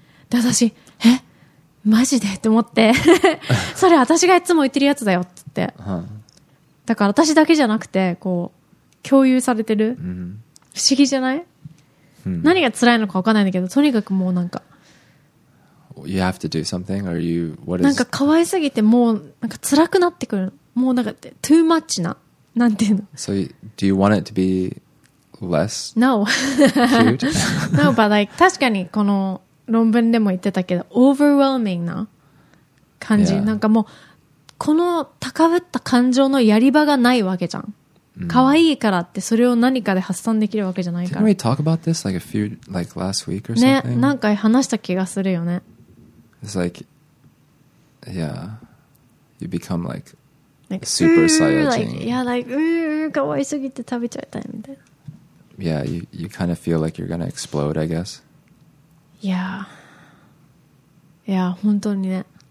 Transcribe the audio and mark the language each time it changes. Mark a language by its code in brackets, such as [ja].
[ja] で私マジでって思ってそれ私がいつも言ってるやつだよって言って、だから私だけじゃなくてこう共有されてる、不思議じゃない、何が辛いのか分かんないんだけど、とにかくもうなんか [en] You have to do something or you what is [ja] なんか可愛すぎてもうなんか辛くなってくる、もうなんか [en] too much [ja] な、なんていうの。 [en] So do you want it to beless no cute no but like [ja] 確かにこの論文でも言ってたけど overwhelming な感じ、なんかもうこの高ぶった感情のやり場がないわけじゃん、可愛いからってそれを何かで発散できるわけじゃないから。 [en] Didn't we talk about this like a few like last week or something? [ja] ね、なんか話した気がするよね。 [en] It's like yeah you become like super Saiyajin, like, yeah like [ja] 可愛すぎて食べちゃいたいみたいな。 [en] Yeah, you kind of feel like you're gonna explode, I guess. Yeah. Yeah, [ja] 本当にね。